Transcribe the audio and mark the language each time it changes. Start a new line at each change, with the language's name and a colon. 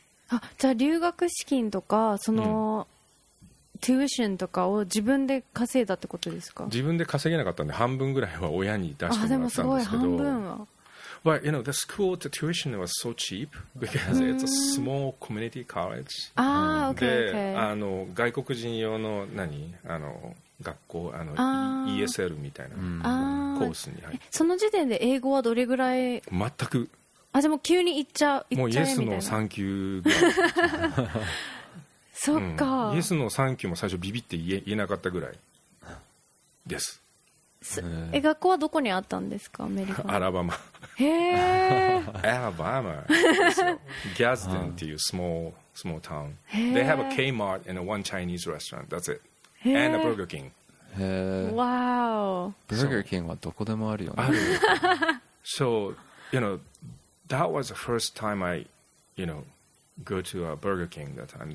Japanese: あ、じゃあ留学資金とかその、うん、トゥーションとかを自分で稼いだってことですか？自分で稼げなかったんで半分ぐらいは親に出してもらったんですけど。あ、でもすごい半分は。
English: Well, you know, the school, the tuition was so cheap because it's a small community college.
Japanese: あ、OK, OK. で、あの外国人用の何あの学校、あの ESL みたいなコースに入って。あ、その時点で英語はどれぐらい？全く。あ、でも急に行っちゃえみたいな。もうイエスのサンキューぐらい。そっか、うん、イエスのサンキューも最初ビビって言えなかったぐらいです。え、学校はどこにあったんですか？アメリカ。アラバマ。へえ。アラバマ。ギャズデンっていうスモータウン。
English: They have a Kmart and a one Chinese restaurant. That's it. And a Burger King.
Japanese: へえ。わお。 Burger King はどこでもあるよね。ある。
English: So, you know,That was the first time I, you know, go to a Burger King that time.